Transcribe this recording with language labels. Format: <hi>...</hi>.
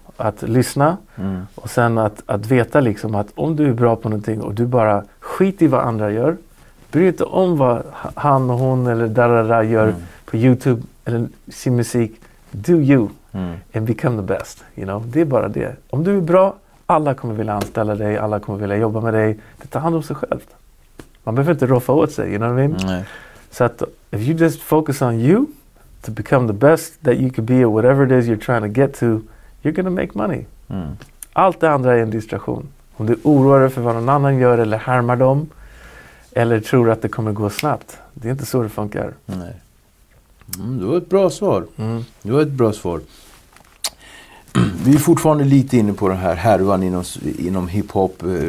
<sv>Att lyssna och sen att veta liksom att om du är bra på någonting och du bara skiter i vad andra gör, bryr inte om vad han och hon eller darara gör på YouTube eller sin musik.</sv> <en>Do you and become the best. You know?</en> <sv>Det är bara det. Om du är bra, alla kommer vilja anställa dig. Alla kommer vilja jobba med dig. Det tar hand om sig självt. Man behöver inte roffa åt sig.</sv> <en>You know what I mean?</en> <sv>Nej. Så att</sv> <en>if you just focus on you to become the best that you could be or whatever it is you're trying to get to, you're gonna make money. Mm.</en> <sv>Allt det andra är en distraktion. Om du oroar dig för vad någon annan gör eller härmar dem, Eller tror att det kommer gå snabbt? Det är inte så det funkar. Nej. Mm, det var ett bra svar. Mm. Det var ett bra svar. Vi är fortfarande lite inne på den här härvan inom hiphop.</sv>